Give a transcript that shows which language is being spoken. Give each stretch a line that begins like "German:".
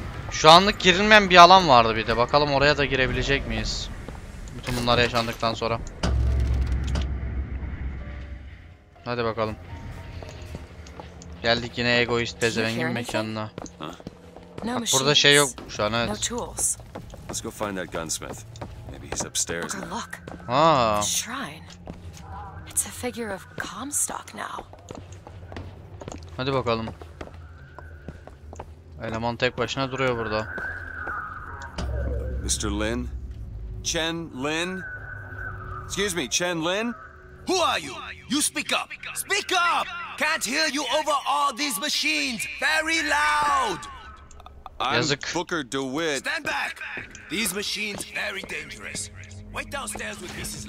Turkish: Şu anlık girilmeyen bir alan vardı bir de. Bakalım oraya da girebilecek miyiz? Bütün bunlar yaşandıktan sonra. Hadi bakalım. Geldik yine egoist pezevengin mekanına. Bak, burada şey yok şu an evet.
English: Let's go find that gunsmith. Maybe he's upstairs now. Aa. Shrine. It's a figure of Comstock now.
Turkish: Hadi bakalım. Eleman tek başına duruyor burada.
English: Mr. Lin? Chen Lin? Excuse me, Chen Lin? Who are you? You speak up. Speak up. Can't hear you over all these machines. Very loud. I'm Booker DeWitt. Stand back. These machines very dangerous. Wait downstairs with Mrs.